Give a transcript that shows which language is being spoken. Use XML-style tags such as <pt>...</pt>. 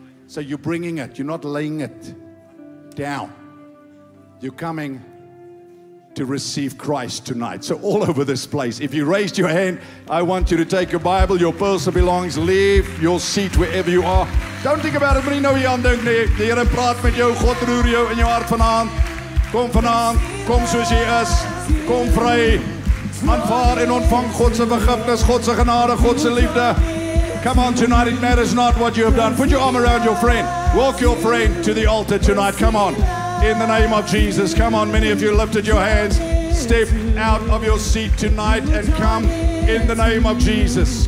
<en>So you're bringing it. You're not laying it down. You're coming to receive Christ tonight. So all over this place, if you raised your hand, I want you to take your Bible, your personal belongings, leave your seat wherever you are. Don't think about it, but you know you're on the knee.</en> <af>The Heere praat met jou, God roer jou in jou hart vanaand. Kom vanaand, kom soos jy is, kom vry. Aanvaar en ontvang God se vergifnis, God se genade, God se liefde.</af> <en>Come on tonight, it matters not what you have done. Put your arm around your friend. Walk your friend to the altar tonight, come on. In the name of Jesus, come on. Many of you lifted your hands. Step out of your seat tonight and come in the name of Jesus.</en>